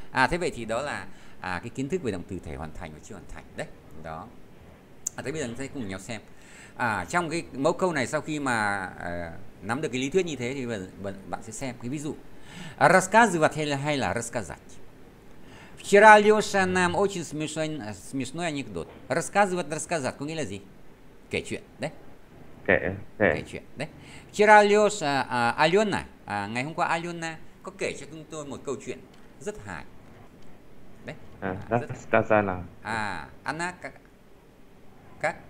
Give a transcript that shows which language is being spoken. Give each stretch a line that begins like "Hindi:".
Vietnamese: Thế vậy thì đó là cái kiến thức về động từ thể hoàn thành và chưa hoàn thành. Đấy. Đó. Thế bây giờ chúng ta cùng nhau xem. Trong cái mẫu câu này sau khi mà nắm được cái lý thuyết như thế thì bạn sẽ xem cái ví dụ.
Russian: Рассказывать
Vietnamese: hay là
Russian: рассказать. Вчера Лёша нам очень смешной анекдот.
Vietnamese: Рассказывать, рассказать có nghĩa là gì? Kể chuyện đấy. Kể chuyện đấy.
Russian: Вчера Лёша Алёна,
Vietnamese: ngày hôm qua Алёна có kể cho chúng tôi một câu chuyện rất hài. đấy. À, À, rất Raskasana là à ăn á các